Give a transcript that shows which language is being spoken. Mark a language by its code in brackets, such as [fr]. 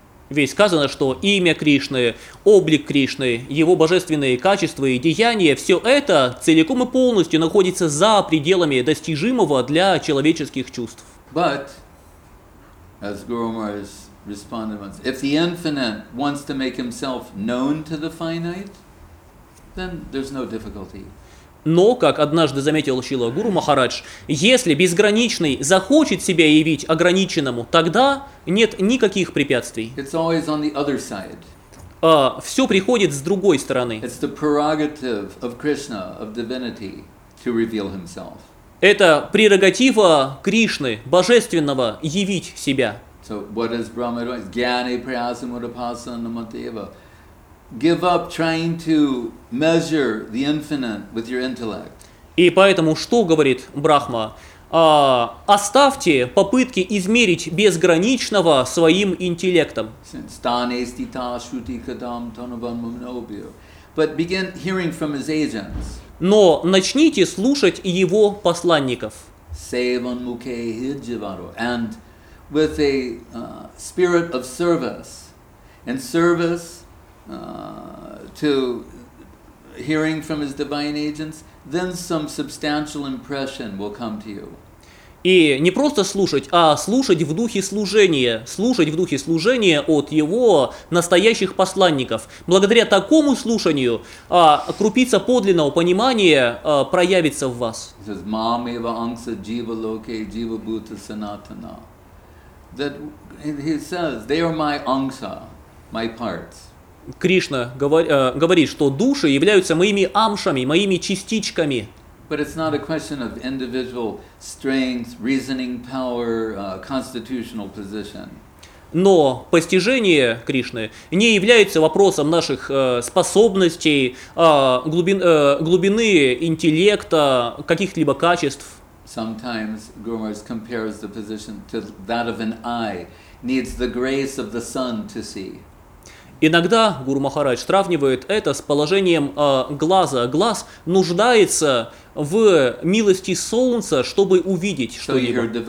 [ru] Ведь сказано, что имя Кришны, облик Кришны, его божественные качества и деяния, все это целиком и полностью находится за пределами достижимого для человеческих чувств. [en] But, as Guru Maharaj responded once, if the infinite wants to make himself known to the finite, then there's no difficulty. [ru] Но, как однажды заметил Шрила Гуру Махарадж, если безграничный захочет себя явить ограниченному, тогда нет никаких препятствий. [en] It's always on the other side. [ru] Все приходит с другой стороны. [en] It's the prerogative of Krishna, of divinity, to reveal himself. [ru] Это прерогатива Кришны, божественного, явить себя. [en] So what does Brahma do? [sa] Gyane prayasam udapasana namateva. [en] Give up trying to measure the infinite with your intellect. [ru] И поэтому что говорит Брахма? Оставьте попытки измерить безграничного своим интеллектом. [en] But begin hearing from his agents. [ru] Но начните слушать его посланников. [sa] Sevan mukhe hijivaro, [en] and with a spirit of service and service. To hearing from his divine agents, then some substantial impression will come to you. [ru] И не просто слушать, а слушать в духе служения, слушать в духе служения от его настоящих посланников. Благодаря такому слушанию крупица подлинного понимания проявится в вас. [sa] Мамева ангса джива локе джива бута санатана. [en] That he says, they are my ангса, my parts. [ru] Кришна говорит, что души являются моими амшами, моими частичками. [en] But it's not a question of individual strength, reasoning power, constitutional position. [ru] Но постижение Кришны не является вопросом наших способностей, глубины интеллекта, каких-либо качеств. [en] Sometimes Guru Maharaj compares the position to that of an eye, needs the grace of the sun to see. [ru] Иногда Гуру Махарадж сравнивает это с положением глаза. Глаз нуждается в милости солнца, чтобы увидеть что-либо.